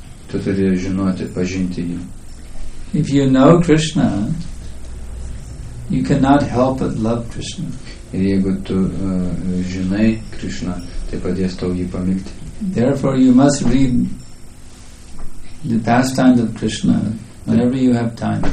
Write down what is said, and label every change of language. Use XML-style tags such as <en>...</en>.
<lt>Tu turi žinoti, pažinti jį.</lt> <en>If you know Krishna, you cannot help but love Krishna.</en> <lt>Ir jeigu tu žinai Krishna, tai padės tau jį pamilti.</lt> <en>Therefore, you must read the pastimes of Krishna whenever you have time.</en>